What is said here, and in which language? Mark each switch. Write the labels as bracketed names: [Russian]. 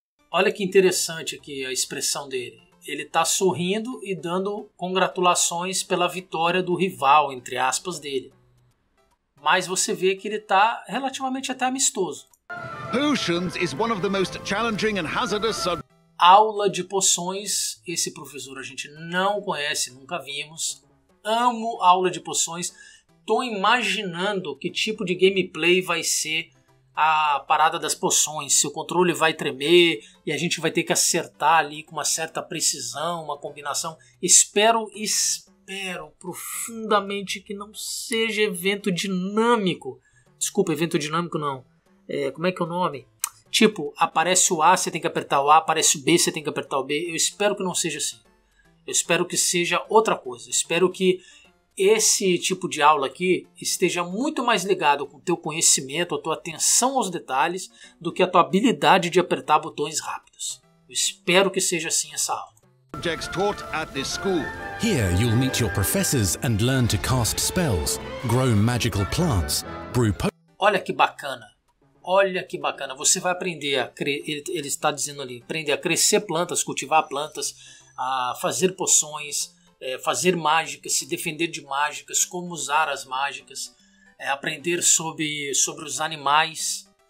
[Portuguese] Olha que interessante aqui a expressão dele. Ele tá sorrindo e dando congratulações pela vitória do rival, entre aspas, dele. Mas você vê que ele tá relativamente até amistoso. [English] Potions is one of the most challenging and hazardous. [Portuguese] Aula de poções, esse professor a gente não conhece, nunca vimos. Amo aula de poções. Tô imaginando que tipo de gameplay vai ser a parada das poções, se o controle vai tremer e a gente vai ter que acertar ali com uma certa precisão, uma combinação. Espero profundamente que não seja evento dinâmico. Desculpa, evento dinâmico não. Como é que é o nome? Tipo, aparece o A, você tem que apertar o A, aparece o B, você tem que apertar o B. Eu espero que não seja assim. Eu espero que seja outra coisa. Eu espero que esse tipo de aula aqui esteja muito mais ligado com o teu conhecimento, a tua atenção aos detalhes, do que a tua habilidade de apertar botões rápidos. Eu espero que seja assim essa aula. [English] Objects taught at this school. Here you'll meet your professors and learn to cast spells, grow magical plants, brew potions. [Portuguese] Olha que bacana. Olha que bacana. Você vai aprender a ele está dizendo ali, aprender a crescer plantas, cultivar plantas, a fazer poções, fazer mágicas, se defender de mágicas, como usar as mágicas, aprender sobre os animais.